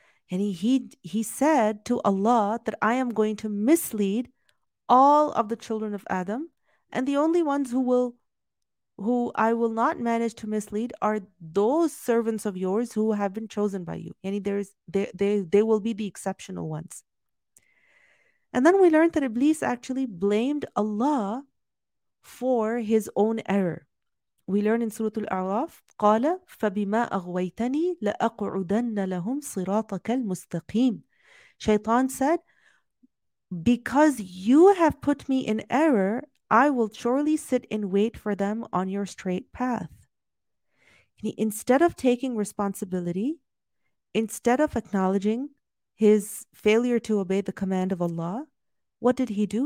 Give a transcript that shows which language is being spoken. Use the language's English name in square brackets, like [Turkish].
[English] And he said to Allah that I am going to mislead all of the children of Adam, and the only ones who I will not manage to mislead are those servants of yours who have been chosen by you. Yani they will be the exceptional ones. And then we learned that Iblis actually blamed Allah for his own error. We learn in Surah Al-A'raf, [Arabic] قَالَ فَبِمَا أَغْوَيْتَنِي لَأَقْعُدَنَّ لَهُمْ صِرَاطَكَ الْمُسْتَقِيمِ. [English] Shaitan said, because you have put me in error, I will surely sit in wait for them on your straight path. Instead of taking responsibility, instead of acknowledging his failure to obey the command of Allah, what did he do?